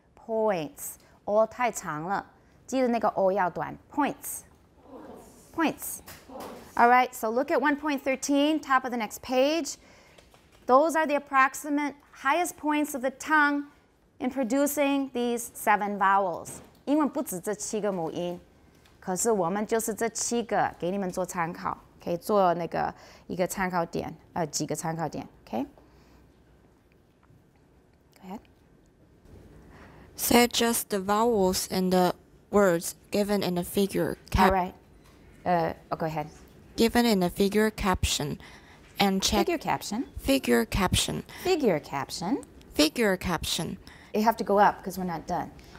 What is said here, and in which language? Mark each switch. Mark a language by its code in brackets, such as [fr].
[en] Points, O [zh] 太长了，记得那个 O 要短。 [en] Points. All right, so look at 1.13, top of the next page. Those are the approximate highest points of the tongue in producing these seven vowels. [zh] 英文不止这七个母音，可是我们就是这七个给你们做参考，可以做那个一个参考点，几个参考点 ，okay? [en] Say just the vowels and the words given in the figure caption. All right. Go ahead. Given in the figure caption and check. Figure caption. You have to go up because we're not done.